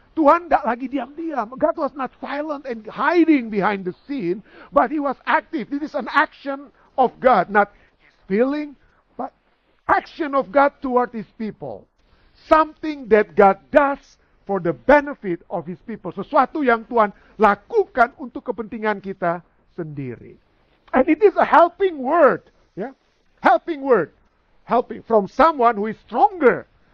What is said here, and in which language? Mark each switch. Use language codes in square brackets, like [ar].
[id] Tuhan tidak lagi diam-diam. [en] God was not silent and hiding behind the scene, but He was active. This is an action of God, not His feeling. Action of God toward His people. Something that God does for the benefit of His people. [id] Sesuatu yang Tuhan lakukan untuk kepentingan kita sendiri. [en] And it is a helping word. Yeah? Helping word. Helping from someone who is stronger.